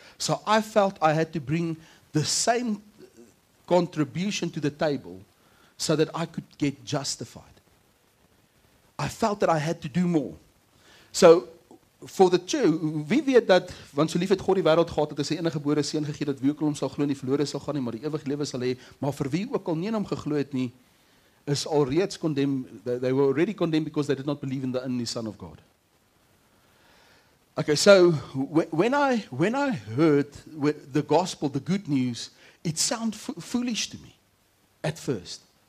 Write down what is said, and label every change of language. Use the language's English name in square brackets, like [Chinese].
[English] So I felt I had to bring the same contribution to the table so that I could get justified. I felt that I had to do more. So for the church, [Afrikaans] wie weet dat, want so lief het God die wêreld gehad dat hy sy eniggebore seun gegee dat wie ook al hom sal glo nie verlore sal gaan nie, maar die ewige lewe sal hê. Maar vir wie ook al nie in hom geglo het nie, is alreeds condemned. [English] They were already condemned because they did not believe in the Son of God. Okay, so when I heard the gospel, the good news, it sounded foolish to me at first.